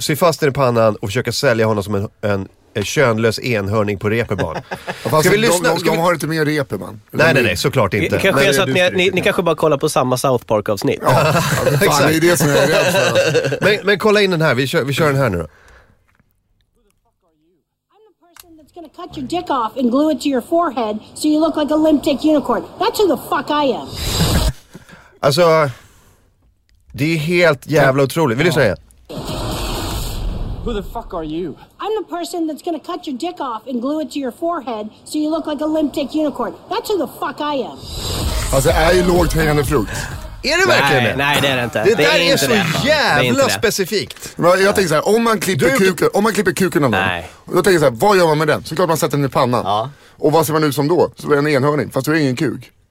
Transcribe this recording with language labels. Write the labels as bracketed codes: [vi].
[sv] Sy fast den i pannan och försöka sälja honom som en könlös enhörning på repeban. Ja, ska vi lyssna? De har inte mer repeman. Nej, såklart inte. Ni kanske bara kollar på samma South Park-avsnitt. Ja, fan, det är det som jag är rädd för. Men kolla in den här, vi kör den här nu då. [en] To cut your dick off and glue it to your forehead so you look like a limp dick unicorn. That's who the fuck I am. [sv] Alltså, det är helt jävla otroligt. Vill du säga? [en] Who the fuck are you? I'm the person that's gonna cut your dick off and glue it to your forehead so you look like a limp dick unicorn. That's who the fuck I am. [sv] Alltså, är ju lågt hängande frukt. Är det verkligen? Nej, det är det inte. Det där är så jävla specifikt. Jag tänker så här, om man klipper kuken av någon, då tänker jag så här, vad gör man med den? Så klart man sätter den i pannan. Ja. Och vad ser man ut som då? Så är det en enhörning, fast du är ingen kuk.